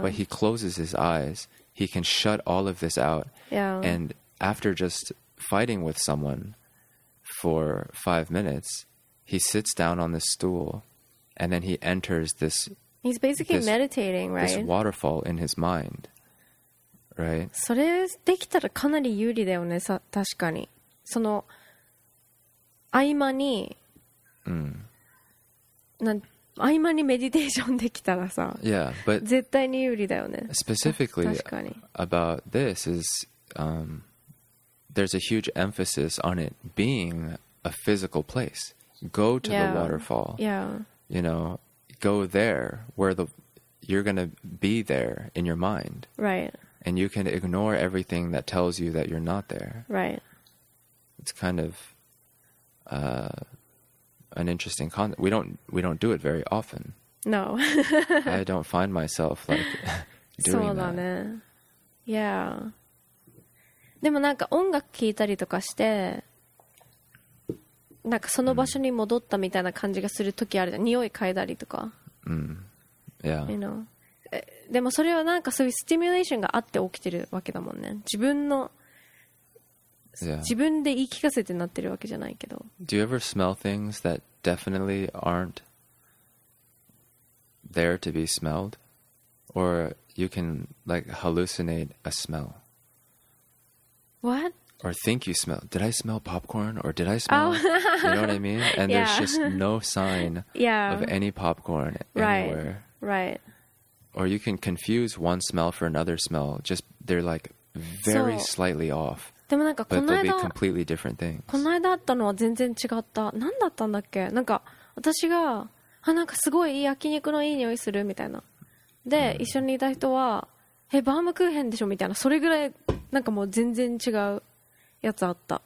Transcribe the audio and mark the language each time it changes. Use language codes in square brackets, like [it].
[en] But he closes his eyes. He can shut all of this out. Yeah. And after just fighting with someone for 5 minutes, he sits down on this stool and then he enters this... He's basically meditating, right? This waterfall in his mind. Right? [ja] それできたらかなり有利だよね、確かに。その合間に、合間にメディテーションできたらさ、 [en] yeah, but [ja] 絶対に有利だよね。 [en] Specifically about this is, there's a huge emphasis on it being a physical place. Go to the waterfall. Yeah. You know, go there where you're going to be there in your mind. Right. And you can ignore everything that tells you that you're not there. Right. It's kind of an interesting concept. We don't do it very often. No. I don't find myself like doing that. [ja] そうだね。 [en] Yeah. [ja] でもなんか音楽聴いたりとかして、なんかその場所に戻ったみたいな感じがする時あるじゃん。匂い嗅いだりとか。 [en] Yeah. You know. [ja] でもそれはなんかそういうスティミュレーションがあって起きてるわけだもんね。自分の [en] Yeah. [ja] 自分で言い聞かせてなってるわけじゃないけど。 [en] Do you ever smell things that definitely aren't there to be smelled? Or you can like hallucinate a smell? What? Or think you smell. Did I smell popcorn? Or did I smell? Oh. You know what I mean? And yeah. there's just no sign yeah. of any popcorn right. anywhere. Right. Or you can confuse one smell for another smell. Just they're like very so. Slightly off. [ja] でもなんかこの間 [en] completely different things. [ja] この間あったのは全然違った。何だったんだっけ？なんか私が、あ、なんかすごいいい焼肉のいい匂いするみたいな。で、一緒にいた人は、え、バームクーヘンでしょみたいな。それぐらい、なんかもう全然違うやつあった。